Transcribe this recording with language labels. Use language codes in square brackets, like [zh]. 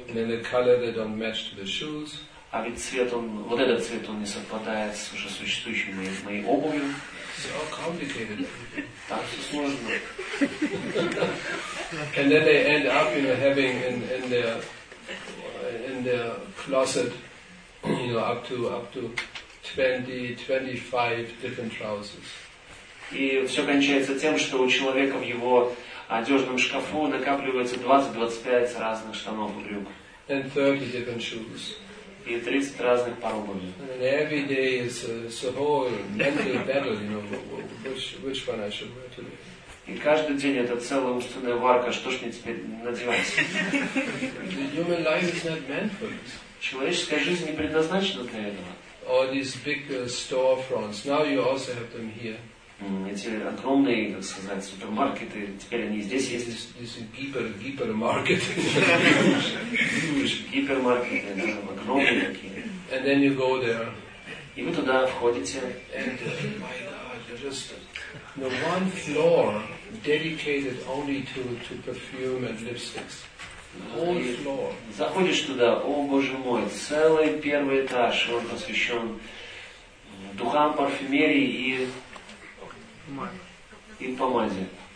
[en] And then the color that don't match to the shoes. [ru] А ведь цвет он, вот этот цвет он не совпадает с уже существующей моей обувью. [en] It's all complicated. [ru] Так все сложно. [en] And then they end up, you know, having in their closet. You know, up to 20-25 different trousers. [ru] И все кончается тем, что у человека в его одежном шкафу накапливается 20-25 разных штанов и брюк. [en] and 30 different shoes. [ru] И 30 разных пар обуви. [en] And every day is a whole mental battle, you know, which one I should wear today. [ru] И каждый день это целая умственная варка, что ж мне теперь надевать. [en] The human life is not meant for this. [ru] Человеческая жизнь не предназначена для этого. [en] All these big storefronts, now you also have them here. [ru] Эти огромные, так сказать, супермаркеты, теперь они здесь есть. [en] This is гипермаркет. [ru] Гипермаркеты, да, огромные такие. [en] And then you go there. [ru] И вы туда входите. [en] And my God, you're just... The one floor dedicated only to perfume and lipsticks. Whole floor. [ru] Заходишь туда, о боже мой, целый первый этаж, он посвящен духам, парфюмерии и помаде.